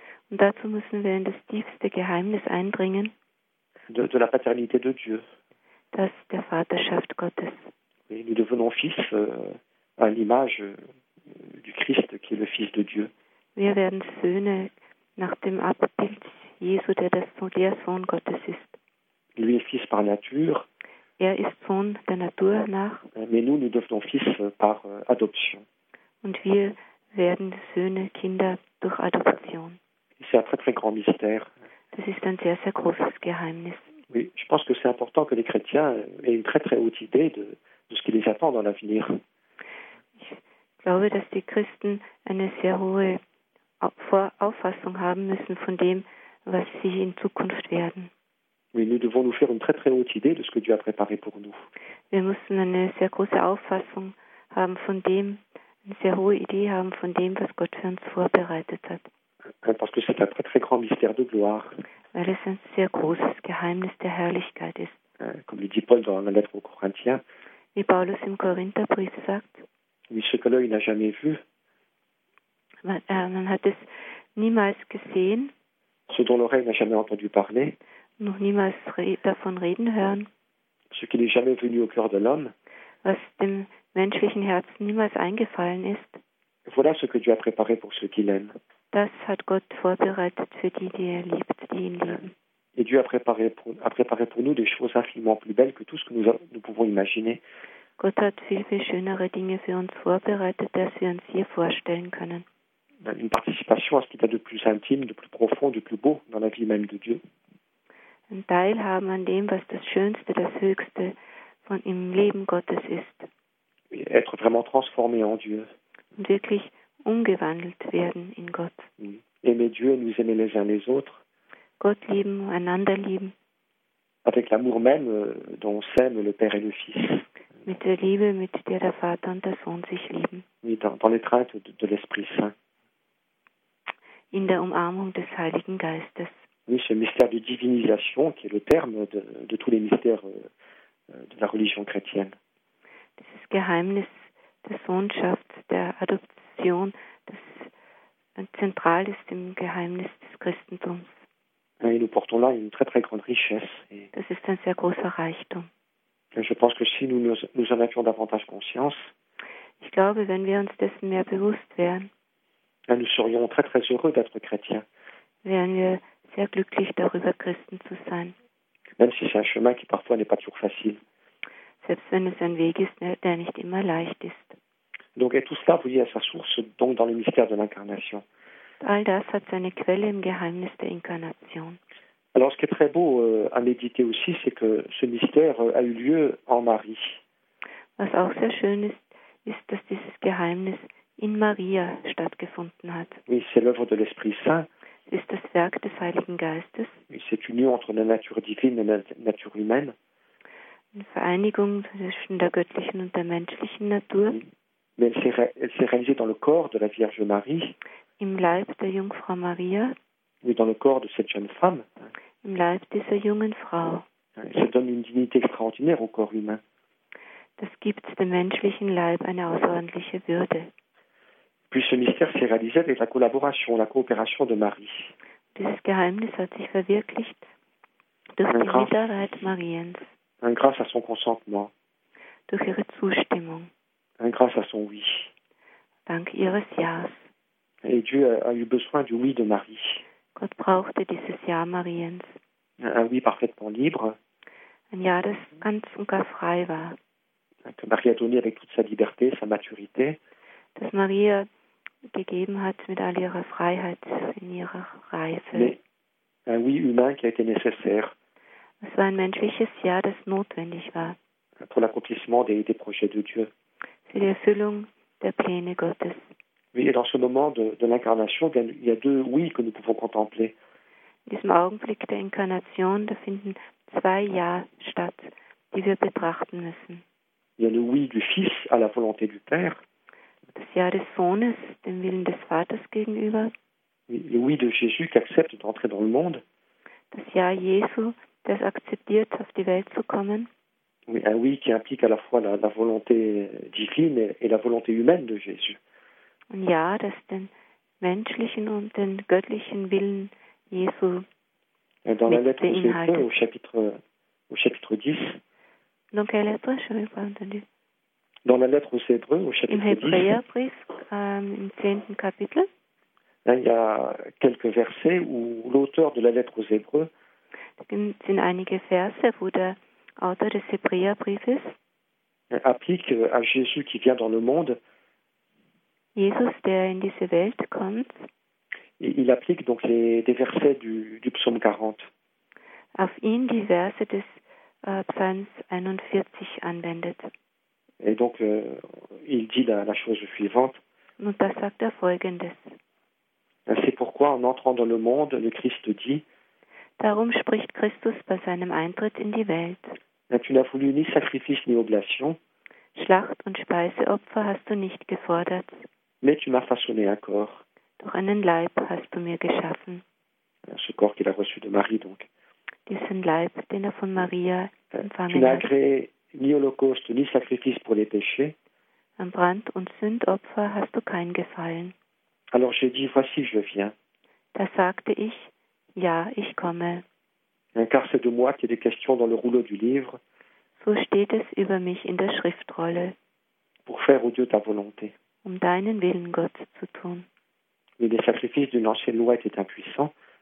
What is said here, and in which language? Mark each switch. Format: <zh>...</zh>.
<de>Und dazu müssen wir in das tiefste Geheimnis eindringen.</de> <fr>De la paternité de Dieu.</fr> <de>Das der Vaterschaft Gottes.</de> <fr>Et nous devenons fils à l'image du Christ qui est le Fils de Dieu.</fr> <de>Wir werden Söhne nach dem Abbild Jesu, der Sohn Gottes ist.</de> <fr>Lui est fils par nature.</fr> <de>Er ist Sohn der Natur nach.</de> <fr>Mais nous devenons fils par adoption.</fr> <de>Und wir werden Söhne, Kinder durch Adoption.</de> <fr>C'est un très très grand mystère.</fr> <de>Das ist ein sehr sehr großes Geheimnis.</de> <fr>Oui, je pense que c'est important que les chrétiens aient une très très haute idée de ce qui les attend dans l'avenir.</fr> <de>Ich glaube, dass die Christen eine sehr hohe Auffassung haben müssen von dem, was sie in Zukunft werden.</de> <fr>Oui, nous devons nous faire une très très haute idée de ce que Dieu a préparé pour nous.</fr> <de>Wir müssen eine sehr große Auffassung haben von dem, eine sehr hohe Idee haben von dem, was Gott für uns vorbereitet hat.</de> <fr>Parce que c'est un très très grand mystère de gloire.</fr> <de>Weil es ein sehr großes Geheimnis der Herrlichkeit ist.</de> <fr>Comme le dit Paul dans la lettre aux Corinthiens.</fr> <de>Wie Paulus im Korintherbrief sagt.</de> <fr>Oui, ce que l'œil n'a jamais vu.</fr> <de>Man hat es niemals gesehen.</de> <fr>Ce dont l'oreille n'a jamais entendu parler.</fr> <de>Noch niemals davon reden hören.</de> <fr>Ce qui n'est jamais venu au cœur de l'homme.</fr> <de>Was dem menschlichen Herzen niemals eingefallen ist.</de> <fr>Voilà ce que Dieu a préparé pour ceux qui l'aiment.</fr> <de>Das hat Gott vorbereitet für die, die er liebt, die ihn lieben.</de> <fr>Et Dieu a préparé pour nous des choses infiniment plus belles que tout ce que nous pouvons imaginer.</fr> <de>Gott hat viel, viel schönere Dinge für uns vorbereitet, als wir uns hier vorstellen können.</de> <fr>Une participation à ce qu'il y a de plus intime, de plus profond, de plus beau dans la vie même de Dieu.</fr> <de>Ein Teilhaben an dem, was das Schönste, das Höchste von im Leben Gottes ist.</de> <fr>Être vraiment transformé en Dieu.</fr> <de>Und wirklich umgewandelt werden in Gott.</de> <fr>Aimer Dieu et nous aimer les uns les autres.</fr> <de>Gott lieben, einander lieben.</de> <fr>Avec l'amour même dont s'aime le Père et le Fils.</fr> <de>Mit der Liebe, mit der der Vater und der Sohn sich lieben.</de> <fr>Dans l'étreinte de l'Esprit Saint.</fr> <de>In der Umarmung des Heiligen Geistes.</de> <fr>Oui, ce mystère de divinisation qui est le terme de tous les mystères de la religion chrétienne.</fr> <de>Dieses Geheimnis der Sohnschaft, der Adoption, das zentral ist im Geheimnis des Christentums.</de> <fr>Et nous portons là une très très grande richesse.</fr> <de>Das ist ein sehr großer Reichtum.</de> <fr>Et je pense que si nous en avions davantage conscience,</fr> <de>ich glaube, wenn wir uns dessen mehr bewusst wären,</de> <fr>nous serions très très heureux d'être chrétiens.</fr> <de>Wären wir sehr glücklich darüber, Christen zu sein.</de> <fr>Même si c'est un chemin qui parfois n'est pas toujours facile.</fr> <de>Selbst wenn es ein Weg ist, der nicht immer leicht ist.</de> <fr>Donc et tout cela, vous voyez, à sa source, donc dans le mystère de l'incarnation.</fr> <de>All das hat seine Quelle im Geheimnis der Inkarnation.</de> <fr>Alors, ce qui est très beau à méditer aussi, c'est que ce mystère a eu lieu en Marie.</fr> <de>Was auch sehr schön ist, ist, dass dieses Geheimnis in Maria stattgefunden hat.</de> <fr>Oui, c'est l'œuvre de l'Esprit Saint.</fr> <de>Es ist das Werk des Heiligen Geistes.</de> <fr>Oui, cette union entre la nature divine et la nature humaine. Une</fr> <de>Vereinigung zwischen der göttlichen und der menschlichen Natur.</de> <fr>Oui. Mais elle s'est réalisée dans le corps de la Vierge Marie.</fr> <de>Im Leib der Jungfrau Maria.</de> <fr>Oui, dans le corps de cette jeune femme.</fr> <de>Im Leib dieser jungen Frau.</de> <fr>Ça donne une dignité extraordinaire au corps humain.</fr> <de>Das gibt dem menschlichen Leib eine außerordentliche Würde.</de> <fr>Puis ce mystère s'est réalisé avec la collaboration, la coopération de Marie.</fr> <de>Dieses Geheimnis hat sich verwirklicht durch die Mitarbeit Mariens.</de> <fr>Grâce à son consentement.</fr> <de>Durch ihre Zustimmung.</de> <fr>Grâce à son oui.</fr> <de>Dank ihres Ja.</de> <fr>Et Dieu a eu besoin du oui de Marie.</fr> <de>Gott brauchte dieses Ja Mariens.</de> <fr>Un oui parfaitement libre.</fr> <de>Ein Ja, das ganz und gar frei war.</de> <fr>Que Marie a donné avec toute sa liberté, sa maturité.</fr> <de>Dass Maria gegeben hat mit all ihrer Freiheit in ihrer Reife.</de> <fr>Mais un oui humain qui a été nécessaire.</fr> <de>Es war ein menschliches Ja, das notwendig war.</de> <fr>Pour l'accomplissement des projets de Dieu.</fr> <de>Für die Erfüllung der Pläne Gottes.</de> <fr>Oui, et dans ce moment de l'incarnation, il y a deux oui que nous pouvons contempler.</fr> <de>In diesem Augenblick der Inkarnation, da finden zwei Ja statt, die wir betrachten müssen.</de> <fr>Il y a le oui du Fils à la volonté du Père.</fr> <de>Das Ja des Sohnes, dem Willen des Vaters gegenüber.</de> <fr>Le oui de Jésus qui accepte d'entrer dans le monde.</fr> <de>Das Ja Jesu, das akzeptiert, auf die Welt zu kommen.</de> <fr>Oui, un oui qui implique à la fois la volonté divine et la volonté humaine de Jésus.</fr> <de>Ein Ja, das den menschlichen und den göttlichen Willen Jesu beinhaltet.</de> <fr>Dans la lettre aux Hébreux, au chapitre 10. Dans quelle lettre, je n'ai pas entendu. Dans la lettre aux Hébreux, au chapitre 10.</fr> <de>Im Hebräerbrief, im 10. Kapitel.</de> <fr>Il y a quelques versets où l'auteur de la lettre aux Hébreux.</fr> <de>Es sind einige Verse, wo der Autor des Hebräerbriefes.</de> <fr>Applique à Jésus qui vient dans le monde.</fr> <de>Jesus, der in diese Welt kommt.</de> <fr>Et il applique donc des versets du psaume 40.</fr> <de>Auf ihn die Verse des Psalms 41 anwendet.</de> <fr>Et donc il dit la chose suivante.</fr> <de>Und da sagt er Folgendes.</de> <fr>C'est pourquoi en entrant dans le monde, le Christ dit.</fr> <de>Darum spricht Christus bei seinem Eintritt in die Welt.</de> <fr>Tu n'as voulu ni sacrifice ni oblation.</fr> <de>Schlacht und Speiseopfer hast du nicht gefordert.</de> <fr>Mais tu m'as façonné un corps.</fr> <de>Doch einen Leib hast du mir geschaffen.</de> <fr>Ce corps qu'il a reçu de Marie, donc.</fr> <de>Diesen Leib, den er von Maria empfangen hat.</de> <fr>Tu n'as agréé ni holocauste ni sacrifice pour les péchés.</fr> <de>Am Brand- und Sündopfer hast du kein Gefallen.</de> <fr>Alors j'ai dit, voici, je viens.</fr> <de>Da sagte ich, ja, ich komme.</de> <fr>Car c'est de moi qu'il y a des questions dans le rouleau du livre.</fr> <de>So steht es über mich in der Schriftrolle.</de> <fr>Pour faire, ô Dieu, ta volonté.</fr> <de>Um deinen Willen, Gott, zu tun.</de> <fr>Mais les sacrifices d'une ancienne loi étaient impuissants.</fr>